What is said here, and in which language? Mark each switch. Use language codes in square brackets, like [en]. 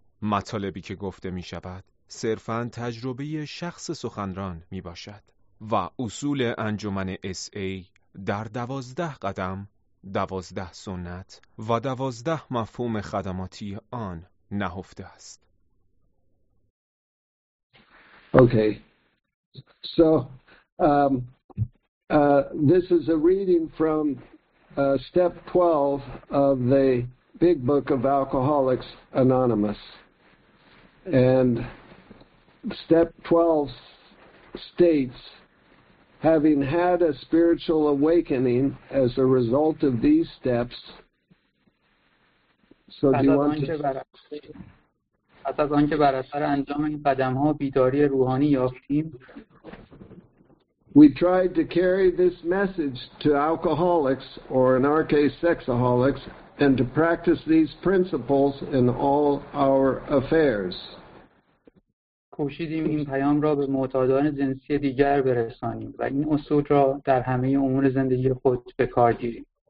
[fa] مطالبی که گفته می‌شود صرفاً تجربه شخص سخنران می‌باشد و اصول انجمن SA در 12 قدم، 12 سنت و 12 مفهوم خدماتی آن نهفته است. [en] Okay, so this is a reading from step 12 of the Big Book of Alcoholics Anonymous. And step 12 states, having had a spiritual awakening as a result of these steps, so do you want to... [fa] پس از آنکه بر اثر انجام این قدم‌ها بیداری روحانی یافتیم، [en] we tried to carry this message to alcoholics, or in our case sexaholics, and to practice these principles in all our affairs. [fa] کوشیدیم این پیام را به معتادان جنسی دیگر برسانیم و این اصول را در همه امور زندگی خود به کار گیریم.